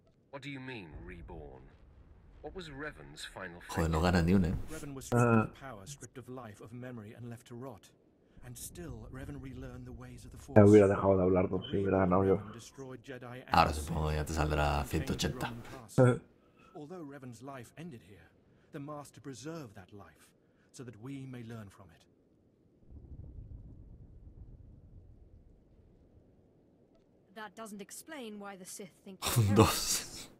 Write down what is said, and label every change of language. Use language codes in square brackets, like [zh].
[en] What do you mean, reborn? What was Revan's final fate? [es] Joder, no gana ni un, [en] Revan was stripped of power, stripped of life, of memory, and left to rot. And still, Revan relearned the ways of the Force. [es] Ya hubiera dejado de hablar, no, si hubiera ganado yo. Ahora supongo que ya te saldrá 180. [en] Although Revan's life ended here, the Master preserved that life, so that we may learn from it. That doesn't explain why the Sith think. [es] Dos.